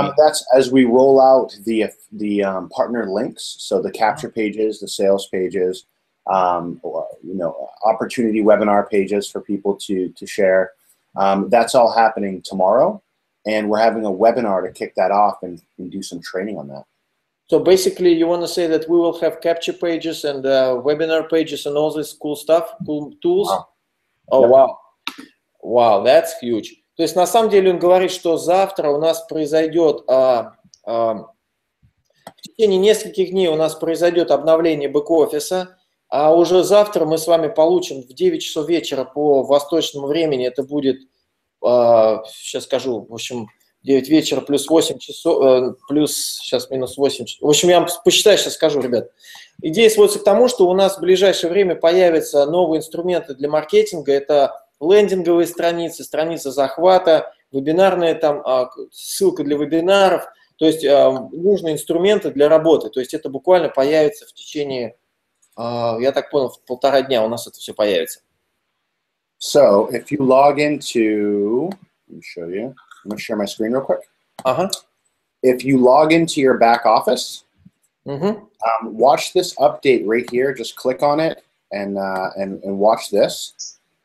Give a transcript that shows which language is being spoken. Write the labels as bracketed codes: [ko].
[en] That's as we roll out the partner links, so the capture pages, the sales pages, opportunity webinar pages for people to share. That's all happening tomorrow, and we're having a webinar to kick that off and do some training on that. So basically, you want to say that we will have capture pages and webinar pages and all this cool stuff, cool tools. Wow. Oh yep. Wow. Wow, that's huge. [ru] То есть на самом деле он говорит, что завтра у нас произойдет в течение нескольких дней у нас произойдет обновление бэк-офиса, а уже завтра мы с вами получим в 9 часов вечера по восточному времени, это будет, сейчас скажу, в общем, 9 вечера плюс 8 часов, плюс сейчас минус 8 часов. В общем, я вам посчитаю, сейчас скажу, ребят. Идея сводится к тому, что у нас в ближайшее время появятся новые инструменты для маркетинга, это лендинговые страницы, страница захвата, вебинарные там, ссылка для вебинаров, то есть нужные инструменты для работы, то есть это буквально появится в течение, я так понял, в полтора дня у нас это все появится. [en] So, if you log into, let me show you, I'm going to share my screen real quick. Uh-huh. If you log into your back office, mm-hmm. Watch this update right here, just click on it and watch this.